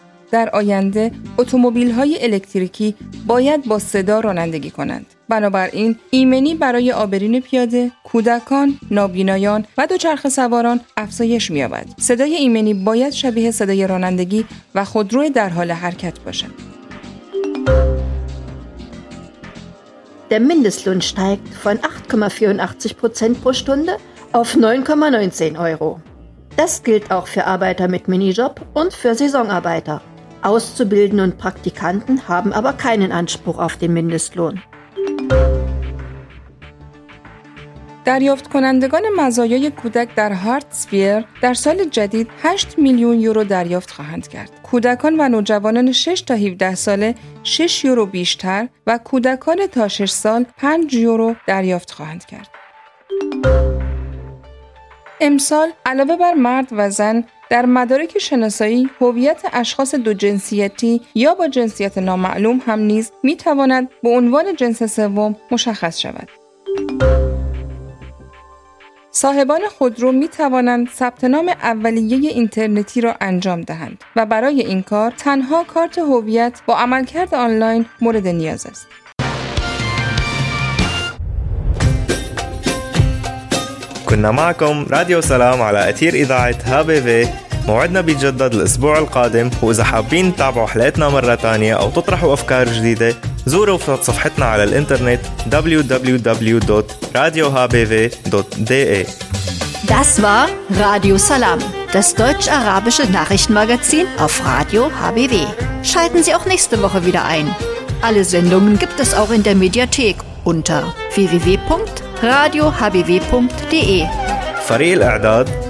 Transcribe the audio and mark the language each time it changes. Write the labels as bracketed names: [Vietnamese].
[Persian] در آینده، اتومبیل های الکتریکی باید با صدا رانندگی کنند. بنابراین، ایمنی برای آبرین پیاده، کودکان، نابینایان و دوچرخه سواران افزایش می‌یابد. صدای ایمنی باید شبیه صدای رانندگی و خودرو در حال حرکت باشد. [German] Der Mindestlohn steigt von 8,84% pro Stunde auf 9,19 Euro. Das gilt auch für Arbeiter mit Minijob und für Saisonarbeiter. Auszubildende und Praktikanten haben aber keinen Anspruch auf den Mindestlohn. [Persian] دریافت کنندگان مزایای کودک در هارتسفیر در سال جدید 8 میلیون یورو دریافت خواهند کرد. کودکان و نوجوانان 6 تا 17 ساله 6 یورو بیشتر و کودکان تا 6 سال 5 یورو دریافت خواهند کرد. امسال علاوه بر مرد و زن در مدارک شناسایی هویت اشخاص دو جنسیتی یا با جنسیت نامعلوم هم نیز می تواند به عنوان جنس سوم مشخص شود. صاحبان خودرو می توانند ثبت نام اولیه اینترنتی را انجام دهند و برای این کار تنها کارت هویت با عملکرد آنلاین مورد نیاز است. [Arabic] كنا معكم راديو سلام على أثير إذاعة هابيفي. موعدنا بيتجدد الأسبوع القادم، وإذا حابين تتابعوا حلقتنا مرة تانية أو تطرحوا أفكار جديدة زوروا صفحتنا على الإنترنت www.radiohbw.de. [German] Das war Radio Salam, das deutsch-arabische Nachrichtenmagazin auf Radio HBW. Schalten Sie auch nächste Woche wieder ein. Alle Sendungen gibt es auch in der Mediathek unter www.radiohbw.de. [Arabic] فريق الإعداد،